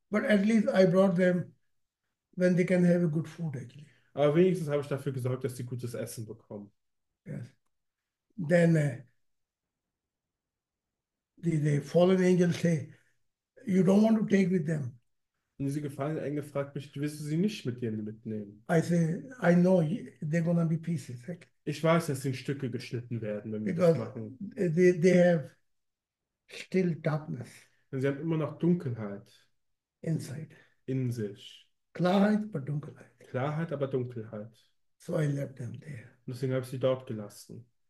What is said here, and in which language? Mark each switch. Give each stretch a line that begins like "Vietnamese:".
English: But at least I brought them when they can have a good food actually.
German: Aber wenigstens habe ich dafür gesorgt, dass sie gutes Essen bekommen.
English: Yes. Then the fallen angels say, you don't want to take with them.
German: Und diese gefallene Engel fragt mich, willst du sie nicht mit dir mitnehmen?
English: I say, I know they're gonna be pieces, okay?
German: Ich weiß, dass sie in Stücke geschnitten werden, wenn wir das
English: Because
German: machen.
English: they have still darkness
German: Denn sie haben immer noch Dunkelheit
English: inside.
German: in sich. Klarheit, but Dunkelheit. Klarheit, aber Dunkelheit. Und
English: So I left them there.
German: deswegen habe ich sie dort gelassen.